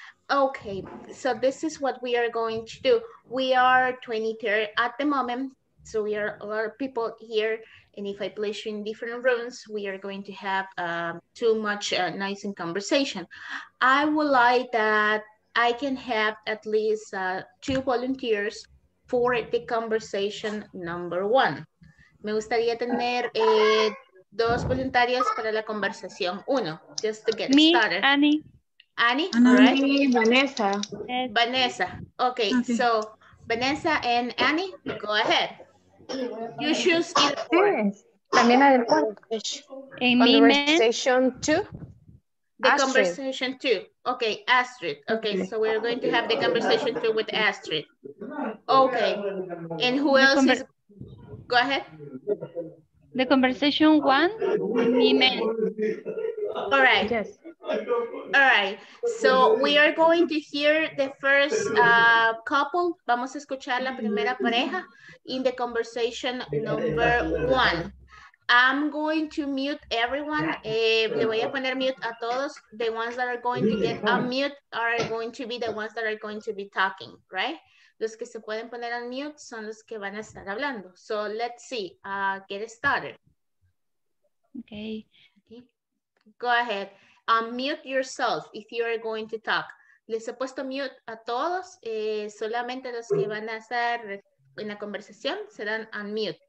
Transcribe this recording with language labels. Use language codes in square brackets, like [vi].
[en] Okay, so this is what we are going to do. We are 23 at the moment, so we are a lot of people here. And if I place you in different rooms, we are going to have too much nice in conversation. I would like that I can have at least 2 volunteers for the conversation number 1. [es] Me gustaría tener 2 voluntarios para la conversación 1, [en] just to get started. Me, Annie. Annie, right? Vanessa. Vanessa, okay, so Vanessa and Annie, go ahead. You choose either one. [es] También la del cual. [en] Conversation 2. The Astrid. Conversation 2. Okay, Astrid. Okay, so we're going to have the conversation 2 with Astrid. Okay, and who else is... Go ahead. The conversation 1, me, man. All right. Yes. All right, so we are going to hear the first couple. [es] Vamos a escuchar la primera pareja [en] in the conversation number 1. I'm going to mute everyone. [es] Le voy a poner mute a todos. [en] The ones that are going to get unmute are going to be the ones that are going to be talking, right? [es] Los que se pueden poner on mute son los que van a estar hablando. [en] So let's see, get started. Okay. Go ahead, unmute yourself if you are going to talk. [es] Les he puesto mute a todos. Solamente los que van a estar en la conversación serán unmute.